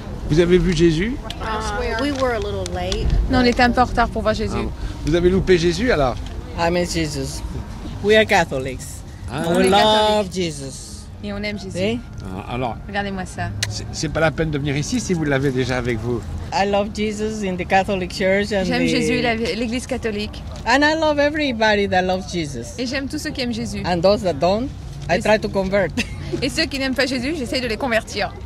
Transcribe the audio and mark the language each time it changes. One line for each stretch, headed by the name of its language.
French: Vous avez vu Jésus? Non, on était un peu en retard pour voir Jésus. Ah, vous avez loupé Jésus, alors?
English: I miss Jesus. We are Catholics. Ah, we love Jesus.
French: Et on aime Jésus. Oui? Alors, regardez-moi ça. C'est pas la peine de venir ici si vous l'avez déjà avec vous.
English: I love Jesus in the Catholic Church and
French: j'aime Jésus l'église catholique.
English: And I love everybody that loves Jesus.
French: Et j'aime tous ceux qui aiment Jésus.
English: And those that don't, I try to convert.
French: Et ceux qui n'aiment pas Jésus, j'essaie de les convertir.